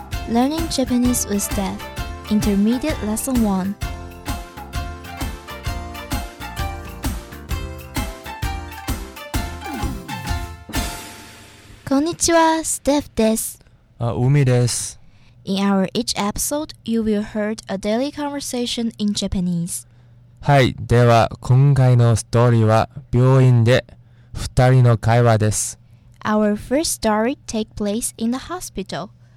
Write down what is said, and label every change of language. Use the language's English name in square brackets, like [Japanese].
[English] Learning Japanese with Death Intermediate Lesson 1 [Japanese] こんにちは、ステフです。海です。 [English] In our each episode, you will hear a daily conversation in Japanese. [Japanese] はい、では今回のストーリーは病院で二人の会話です。 [English] Our first story takes place in the hospital.